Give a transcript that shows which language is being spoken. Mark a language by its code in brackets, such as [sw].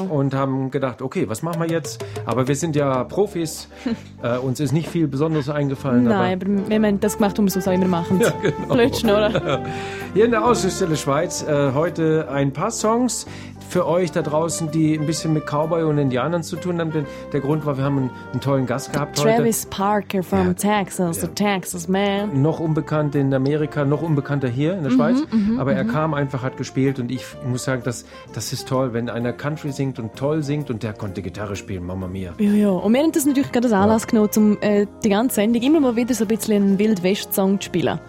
[de] Und haben gedacht, okay, was machen wir jetzt? Aber wir sind ja Profis, uns ist nicht viel Besonderes eingefallen. Nein, aber wir haben das gemacht, um es so immer machen. Ja, genau. Blödsinn, oder? Hier in der Ausstellung Schweiz heute ein paar Songs. Für euch da draußen, die ein bisschen mit Cowboy und Indianern zu tun haben, denn der Grund war, wir haben einen tollen Gast gehabt Travis heute. [en] Travis Parker from Texas, the Texas man. [de] Noch unbekannt in Amerika, noch unbekannter hier in der Schweiz, aber er kam einfach, hat gespielt und ich muss sagen, das ist toll, wenn einer Country singt und toll singt und der konnte Gitarre spielen, Mama mia. Ja, ja. Und wir haben das natürlich gerade als Anlass genommen, um die ganze Sendung immer mal wieder so ein bisschen einen Wild-West-Song zu spielen.